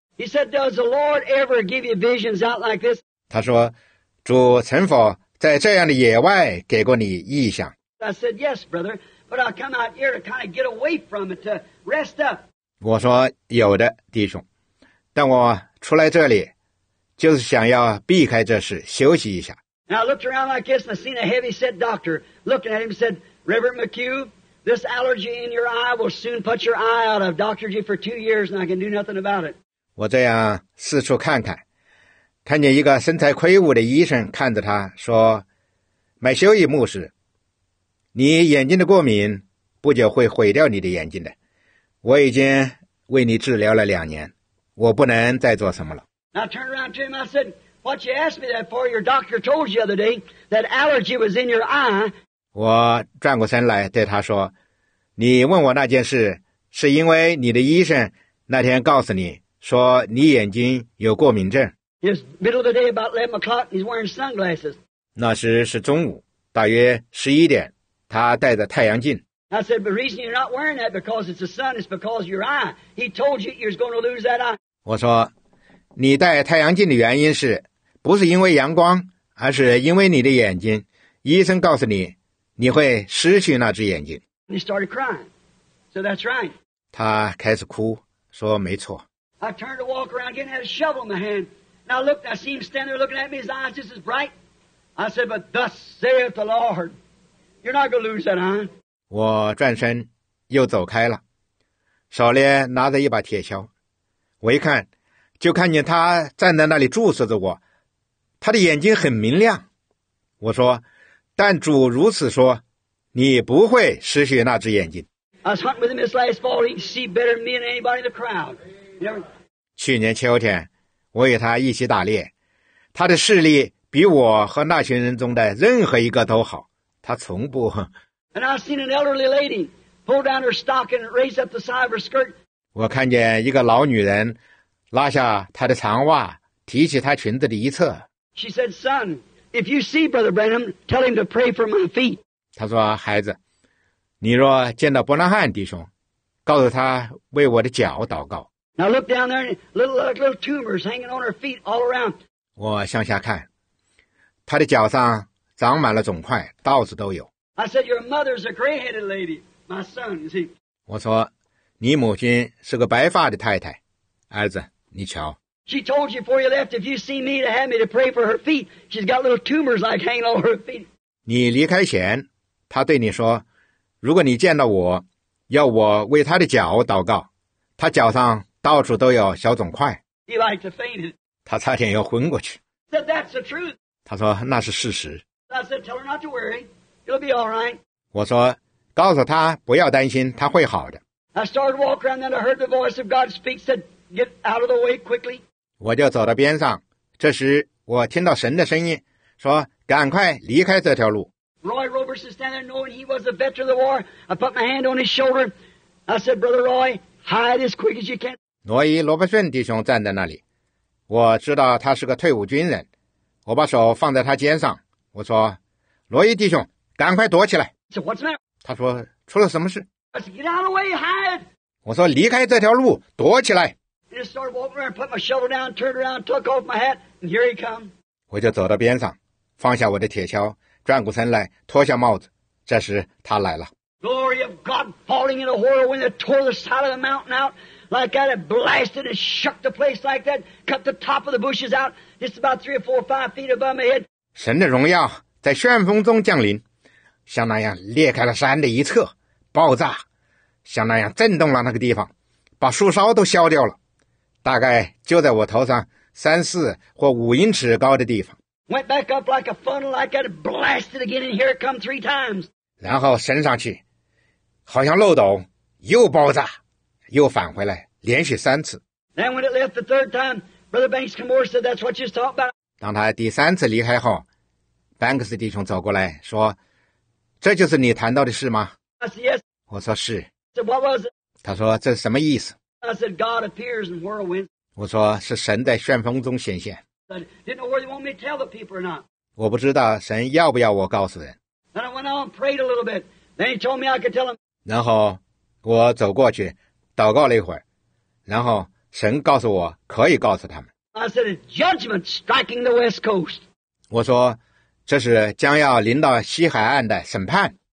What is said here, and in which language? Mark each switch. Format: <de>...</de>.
<en>He said, "Does the Lord ever give you visions out like this?"</en> <zh>他说，主曾否在这样的野外给过你异象？</zh> <en>I said, "Yes, brother, but I come out here to kind of get away from it to rest up."</en> <zh>我说有的，弟兄，但我出来这里就是想要避开这事，休息一下。</zh> <en>Now I looked around like this, and I seen a heavy-set doctor looking at him. Said, "Reverend McHugh, this allergy in your eye will soon put your eye out. I've doctored you for 2 years, and I can do nothing about it."</en> <zh>我这样四处看看，看见一个身材魁梧的医生看着他说：“麦修伊牧师，你眼睛的过敏不久会毁掉你的眼睛的。我已经为你治疗了2年，我不能再做什么了。”</zh> <en>Now turn around to him. I said, "What you asked me that for? Your doctor told you the other day that allergy was in your eye."</en> <zh>我转过身来对他说：“你问我那件事，是因为你的医生那天告诉你说你眼睛有过敏症。”</zh> <en>It's middle of the day, about 11 o'clock. He's wearing sunglasses.</en> <zh>那时是中午，大约11点，他戴着太阳镜。</zh> <en>I said, "The reason you're not wearing that because it's the sun is because your eye. He told you you're going to lose that eye."</en> <zh>我说，你戴太阳镜的原因是，不是因为阳光，而是因为你的眼睛。医生告诉你，你会失去那只眼睛。</zh> <en>He started crying. So that's right.</en> <zh>他开始哭，说没错。</zh> <en>I turned to walk around again, had a shovel in my hand. And I looked, I see him standing there looking at me, his eyes just as bright. I said, "But thus saith the Lord, you're not going to lose that eye."</en> <zh>我转身又走开了，手里拿着一把铁锹。我一看，就看见他站在那里注视着我，他的眼睛很明亮。我说，但主如此说，你不会失去那只眼睛。</zh> <en>I was hunting with him this last fall. He can see better than me and anybody in the crowd. You know?</en> <zh>去年秋天，我与他一起打猎，他的视力比我和那群人中的任何一个都好，他从不。</zh> <en>And I seen an elderly lady pull down her stocking and raise up the side of her skirt.</en> <zh>我看见一个老女人拉下她的长袜，提起她裙子的一侧。</zh> <en>She said, "Son, if you see Brother Branham, tell him to pray for my feet."</en> <zh>她说，孩子，你若见到伯南汉弟兄，告诉他为我的脚祷告。</zh> <en>Now look down there, little tumors hanging on her feet all around.</en> <zh>我向下看，她的脚上长满了肿块，到处都有。</zh> <en>I said, "Your mother's a gray-headed lady, my son, you see."</en> <zh>我说，你母亲是个白发的太太。儿子，你瞧。</zh> <en>She told you before you left, if you see me, to have me to pray for her feet. She's got little tumors like hanging on her feet.</en> <zh>你离开前，她对你说，如果你见到我，要我为她的脚祷告，她脚上到处都有小肿块。</zh> <en>He liked to faint.</en> <zh>她差点要昏过去。</zh> <en>Said that's the truth.</en> <zh>她说那是事实。</zh> <en>I said, "Tell her not to worry. It'll be all right."</en> <zh>我说，告诉她不要担心，她会好的。</zh> <en>I started walking around, then I heard the voice of God speak, said,Get out of the way quickly.</en> <zh>我就走到边上，这时我听到神的声音说，赶快离开这条路。</zh> <en>Roy Roberts is standing there, knowing he was a veteran of the war. I put my hand on his shoulder. I said, "Brother Roy, hide as quick as you can."</en> <zh>罗伊·罗伯逊弟兄站在那里，我知道他是个退伍军人。我把手放在他肩上，我说，罗伊弟兄，赶快躲起来。</zh> <en>He said, "What's the matter?"</en> <zh>他说，出了什么事。</zh> <en>I said, "Get out of the way, hide."</en> <zh>我说，离开这条路，躲起来。</zh> <en>I just started walking around, put my shovel down, turned around, took off my hat, and here he come.</en> <zh>我就走到边上，放下我的铁锹，转过身来，脱下帽子。这时他来了。</zh> <en>Glory of God falling in a whirlwind that tore the side of the mountain out like that. It blasted and shook the place like that. Cut the top of the bushes out just about 3 or 4 or 5 feet above my head.</en> <zh>神的荣耀在旋风中降临，像那样裂开了山的一侧，爆炸，像那样震动了那个地方，把树梢都削掉了。大概就在我头上3、4或5英尺高的地方。</zh> <en>Went back up like a funnel, like that, blasted again, and here it come 3 times.</en> <zh>然后升上去，好像漏斗，又爆炸，又返回来，连续3次。</zh> <en>Then when it left the third time, Brother Banks came over and said, "That's what you're talking about."</en> <zh>当他第三次离开后，班克斯弟兄走过来说，这就是你谈到的事吗？</zh> <en>I said, "Yes."</en> <zh>我说是。</zh> <en>He said, "What was it?"</en> <zh>他说，这是什么意思？</zh> <en>I said, "God appears in whirlwinds."</en> <zh>我说是神在旋风中显现。</zh> <en>But didn't know whether they want me to tell the people or not.</en> <zh>我不知道神要不要我告诉人。</zh> <en>Then I went on and prayed a little bit. Then he told me I could tell him.</en> <zh>然后我走过去祷告了一会儿，然后神告诉我可以告诉他们。</zh> <en>I said a judgment striking the west coast.</en> <zh>我说这是将要临到西海岸的审判。</zh>